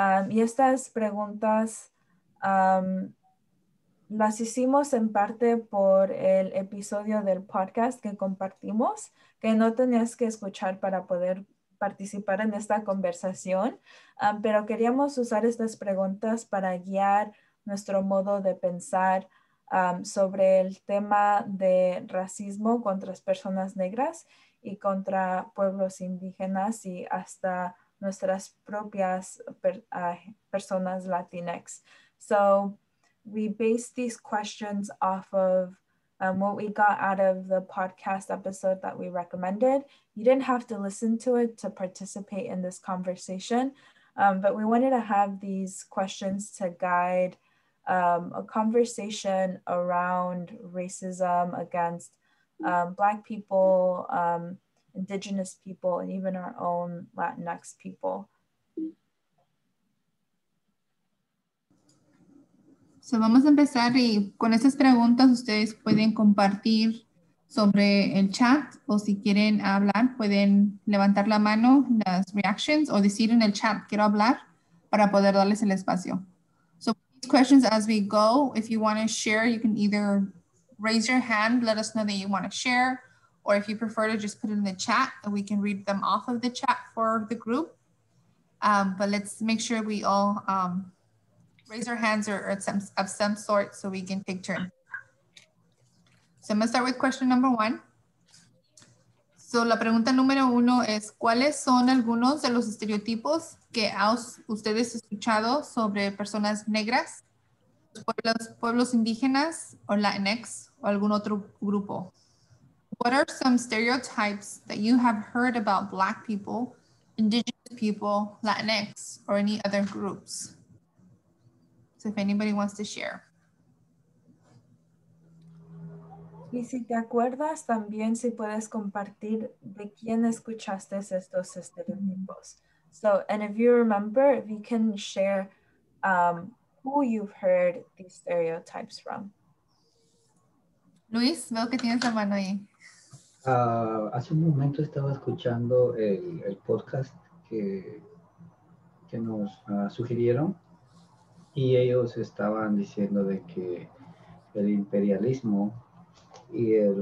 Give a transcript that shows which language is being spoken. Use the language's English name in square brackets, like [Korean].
[Spanish] Y estas preguntas las hicimos en parte por el episodio del podcast que compartimos, que no tenías que escuchar para poder participar en esta conversación, pero queríamos usar estas preguntas para guiar nuestro modo de pensar sobre el tema de racismo contra las personas negras y contra pueblos indígenas y hasta nuestras propias personas Latinx. [English] So we based these questions off of what we got out of the podcast episode that we recommended. You didn't have to listen to it to participate in this conversation, but we wanted to have these questions to guide a conversation around racism against Black people, Indigenous people, and even our own Latinx people. [Spanish] So vamos a empezar y con estas preguntas ustedes pueden compartir sobre el chat o si quieren hablar pueden levantar la mano las reactions o decir en el chat quiero hablar para poder darles el espacio. [English] So these questions as we go, if you want to share, you can either raise your hand, let us know that you want to share, or if you prefer to just put it in the chat and we can read them off of the chat for the group. But let's make sure we all raise our hands or of some sort so we can take turns. So I'm gonna start with question number one. [Spanish] So la pregunta número uno es, ¿cuáles son algunos de los estereotipos que ustedes han escuchado sobre personas negras, pueblos indígenas o Latinx o algún otro grupo? [English] What are some stereotypes that you have heard about Black people, Indigenous people, Latinx or any other groups? So if anybody wants to share. [Spanish] Y si te acuerdas también si puedes compartir de quién escuchaste estos estereotipos. [English] So, and if you remember, if you can share who you've heard these stereotypes from. [Spanish] Luis, veo que tienes la mano ahí. Hace un momento estaba escuchando el podcast que nos sugirieron y ellos estaban diciendo de que el imperialismo y